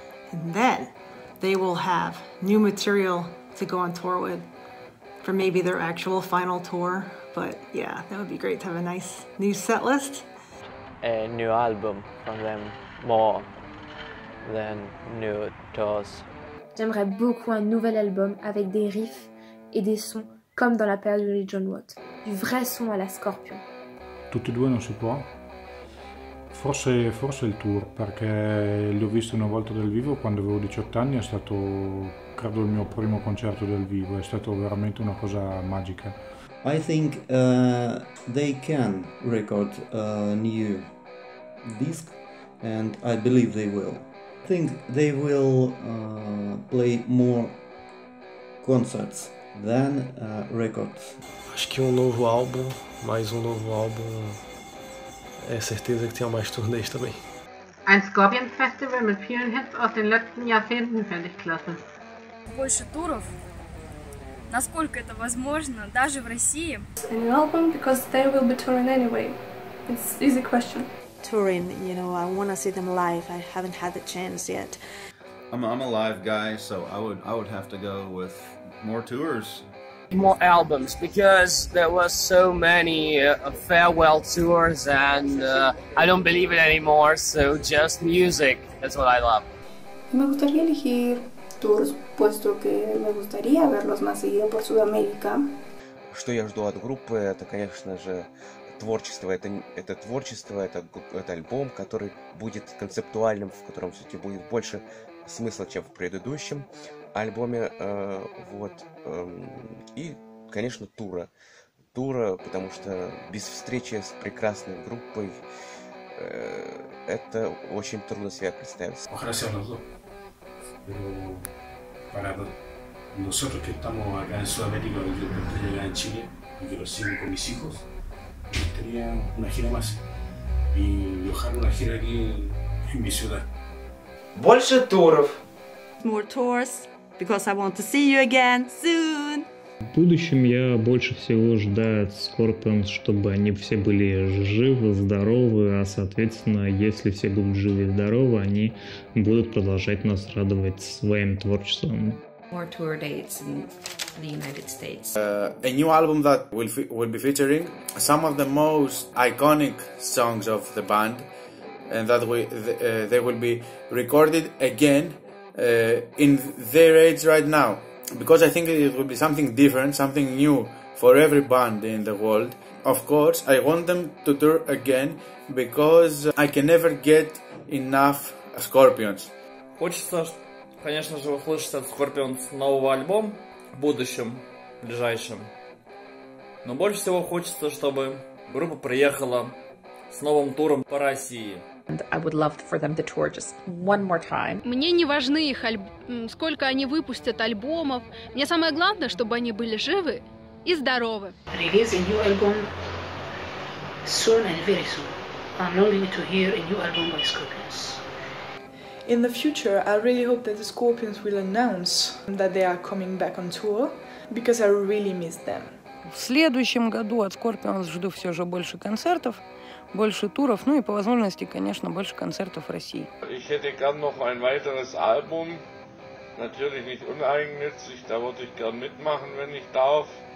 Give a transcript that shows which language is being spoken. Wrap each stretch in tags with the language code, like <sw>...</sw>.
<en>And then they will have new material to go on tour with for maybe their actual final tour. But yeah, that would be great to have a nice new set list. A new album from them, more than new tours.</en> <fr>J'aimerais beaucoup un nouvel album avec des riffs et des sons comme dans la période de John Watt. Du vrai son à la Scorpion. Toutes deux, non, je sais pas.</fr> <it>Forse il tour, perché l'ho visto una volta dal vivo quando avevo 18 anni, è stato, credo, il mio primo concerto dal vivo, è stato veramente una cosa magica.</it> <en>I think they can record a new disc, and I believe they will. I think they will play more concerts then record.</en> <pt>Acho que novo álbum, mais novo álbum, é certeza que tem mais turnês também.</pt> <de>Ein Scorpion Festival mit vielen Hits aus den letzten Jahrzehnten fände ich klasse.</de> <ru>Больше туров, насколько это возможно, даже в России.</ru> <en>A new album, because they will be touring anyway. It's an easy question. Touring, you know, I want to see them live. I haven't had the chance yet. I'm a live guy, so I would have to go with more tours. More albums, because there were so many farewell tours, and I don't believe it anymore, so just music, that's what I love.</en> <es>Me gustaría elegir tours, puesto que me gustaría verlos más seguido por Sudamérica.</es> <ru>Что я жду от группы, это, конечно же, творчество. Это творчество, это альбом, который будет концептуальным, в котором все-таки будет больше смысла, чем в предыдущем альбоме, вот, и, конечно, тура, потому что без встречи с прекрасной группой это очень трудно себе представить. Хорошо, но для нас, которые здесь, в Сувенике, я хотел бы ехать на гиру здесь, в моей стране. Больше туров.</ru> <en>More tours. Because I want to see you again soon.</en> <ru>В будущем я больше всего ждаю от Scorpions, чтобы они все были живы, здоровы, а соответственно, если все будут живы и здоровы, они будут продолжать нас радовать своим творчеством.</ru> <en>More tour dates in the United States. A new album that will be featuring some of the most iconic songs of the band, and that they will be recorded again. In their age right now, because I think it will be something different, something new for every band in the world. Of course, I want them to tour again because I can never get enough Scorpions.</en> <ru>Хочется, конечно же, услышать от Scorpions нового альбом в будущем, ближайшем. Но больше всего хочется, чтобы группа приехала с новым туром по России.</ru> <en>I would love for them to tour just one more time.</en> <ru>Мне не важны их сколько они выпустят альбомов. Мне самое главное, чтобы они были живы и здоровы.</ru> <en>Release a new album soon and very soon. I'm longing to hear a new album by Scorpions. In the future, I really hope that the Scorpions will announce that they are coming back on tour, because I really miss them.</en> <ru>В следующем году от Scorpions жду все же больше концертов. Больше туров, ну и по возможности, конечно, больше концертов в России.</ru> <de>Ich hätte gern noch ein weiteres Album, natürlich nicht uneigennützig, da würde ich gern mitmachen, wenn ich darf.</de>